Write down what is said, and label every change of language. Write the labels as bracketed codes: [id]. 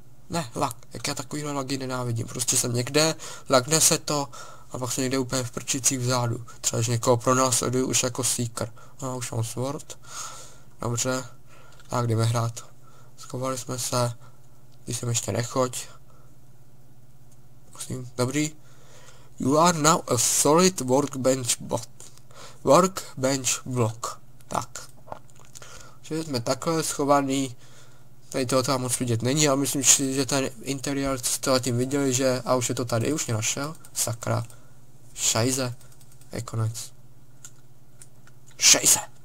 [cs] Ne, lag, jak já takovýhle lagy nenávidím, prostě jsem někde, lagne se to a pak jsem někde úplně v prčicích vzadu. Třeba, že někoho pronásleduji už jako Seeker. No, už mám Sword. Dobře, tak jdeme hrát. Schovali jsme se, když jsem ještě nechoď. Prosím, dobrý. [en] You are now a solid workbench bot. Workbench block. Tak. [cs] Že jsme takhle schovaný. Tady toho tam moc vidět není, ale myslím si, že ten interiér, co jste tím viděli, že... A už je to tady, už mě našel. Sakra. Šajze. Je konec. Šajze.